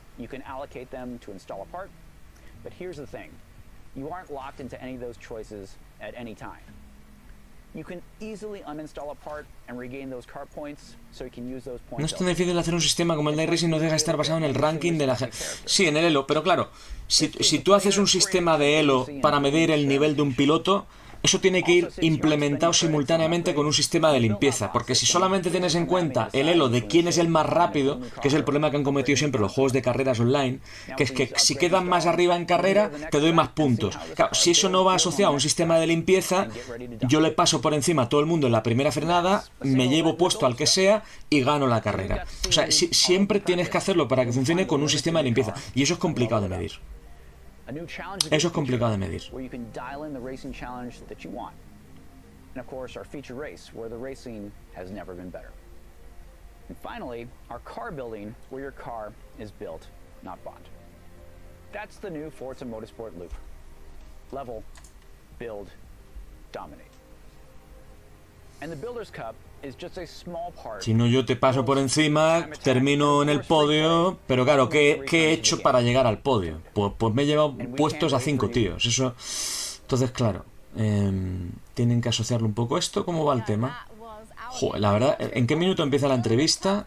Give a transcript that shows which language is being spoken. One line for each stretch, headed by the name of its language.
English: You can allocate them to install a part. But here's the thing. You aren't locked into any of those choices at any time. You can easily uninstall a part and regain those car points, so you can use those points.
Spanish: No es tan difícil hacer un sistema como el de iRacing, no deja estar basado en el ranking de la gente. Sí, en el Elo, pero claro, si tú haces un sistema de Elo para medir el nivel de un piloto, eso tiene que ir implementado simultáneamente con un sistema de limpieza, porque si solamente tienes en cuenta el elo de quién es el más rápido, que es el problema que han cometido siempre los juegos de carreras online, que es que si quedan más arriba en carrera, te doy más puntos. Claro, si eso no va asociado a un sistema de limpieza, yo le paso por encima a todo el mundo en la primera frenada, me llevo puesto al que sea y gano la carrera. O sea, siempre tienes que hacerlo para que funcione con un sistema de limpieza, y eso es complicado de medir. Eso es complicado de medir.
English: Where you can dial in the racing challenge that you want. And of course, our feature race, where the racing has never been better. And finally, our car building, where your car is built, not bought. That's the new Forza Motorsport loop. Level, build, dominate. And the Builder's Cup is just a small part.
Spanish: Si no, yo te paso por encima, termino en el podio, pero claro, ¿qué he hecho para llegar al podio? Pues me he llevado puestos a 5 tíos. Eso, entonces, claro, tienen que asociarlo un poco. ¿Esto cómo va el tema? Joder, la verdad, ¿en qué minuto empieza la entrevista?